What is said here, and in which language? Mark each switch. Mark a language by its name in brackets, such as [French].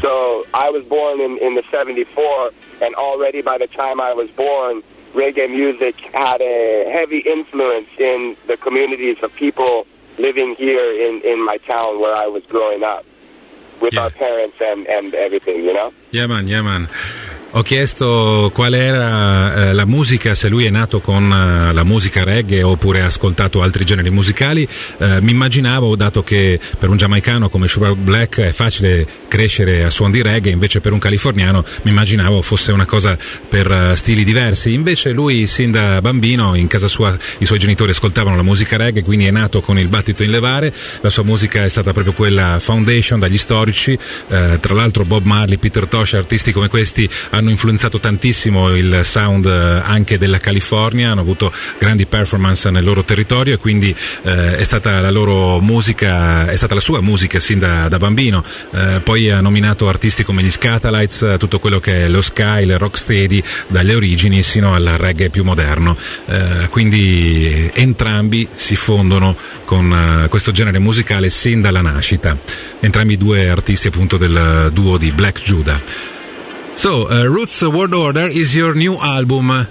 [English] So I was born in the 74, and already by the time I was born, reggae music had a heavy influence in the communities of people living here in my town where I was growing up. With our parents and everything, you know? Yeah, man. [Italian] ho chiesto qual era la musica, se lui è nato con la musica reggae oppure ha ascoltato altri generi musicali. Mi immaginavo, dato che per un giamaicano come Sugar Black è facile crescere a suon di reggae, invece per un californiano mi immaginavo fosse una cosa per stili diversi. Invece lui sin da bambino in casa sua i suoi genitori ascoltavano la musica reggae, quindi è nato con il battito in levare. La sua musica è stata proprio quella foundation dagli storici, tra l'altro Bob Marley, Peter Tosh, artisti come questi hanno influenzato tantissimo il sound anche della California, hanno avuto grandi performance nel loro territorio e quindi è stata la loro musica, è stata la sua musica sin da bambino. Poi ha nominato artisti come gli Scatalites, tutto quello che è lo ska, il rocksteady, dalle origini sino al reggae più moderno. Quindi entrambi si fondono con questo genere musicale sin dalla nascita, entrambi due artisti appunto del duo di Black Judah. [English] So, Roots World Order is your new album.